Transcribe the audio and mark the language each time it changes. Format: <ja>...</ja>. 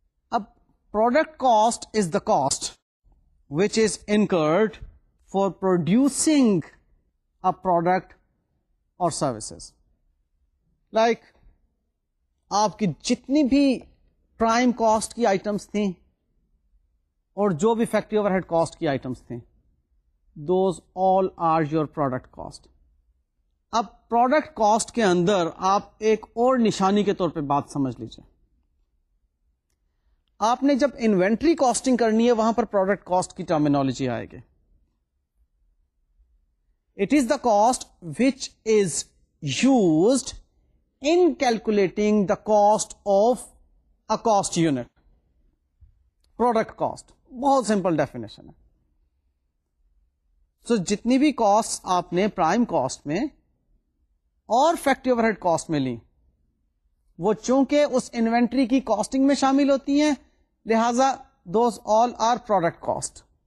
<en>اب product cost is the cost which is incurred for producing a product اور services.</en> <ur>Like آپ کی جتنی بھی پرائم کاسٹ کی آئٹمس تھیں اور جو بھی فیکٹری اوور ہیڈ کاسٹ کی آئٹمس تھیں,</ur> <en>Those all are your product cost.</en> <ur>اب پروڈکٹ کاسٹ کے اندر آپ ایک اور نشانی کے طور پہ بات سمجھ لیجئے. آپ نے جب انوینٹری کاسٹنگ کرنی ہے وہاں پر پروڈکٹ کاسٹ کی ٹرمینالوجی آئے گی.</ur> <en>It is the cost which is used in calculating the cost of a cost unit.</en> <ur>Product cost بہت سمپل ڈیفینیشن ہے. سو جتنی بھی کاسٹ آپ نے پرائم کاسٹ میں اور فیکٹری اوور ہیڈ کاسٹ میں لیں, وہ چونکہ اس انوینٹری کی کاسٹنگ میں شامل ہوتی ہیں لہذا</ur> <en>Those all are product cost.</en>